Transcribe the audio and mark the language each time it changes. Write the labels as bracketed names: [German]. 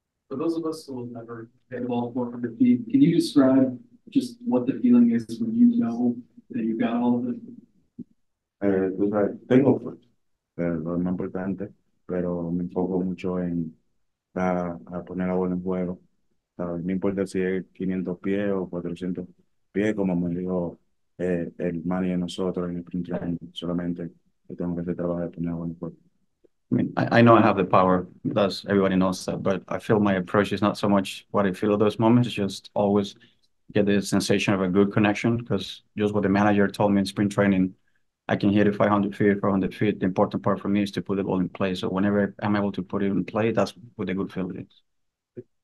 [English] For those of us who will never hit a ball more from the tee, can you describe just what the feeling is when you know that you've got all of [Spanish] tú sabes, tengo fuerza, pero no es más importante, pero me enfoco mucho en a poner la bola en juego. ¿Sabes? No importa si es 500 pies o 400 pies, como me dijo el manager de nosotros en el entrenamiento, solamente tengo que hacer trabajo de poner la bola en juego. [English] I mean, I know I have the power. That's everybody knows that. But I feel my approach is not so much what I feel at those moments. Just always get the sensation of a good connection. Because just what the manager told me in spring training, I can hit it 500 feet, 400 feet. The important part for me is to put the ball in play. So whenever I'm able to put it in play, that's what the good feeling is.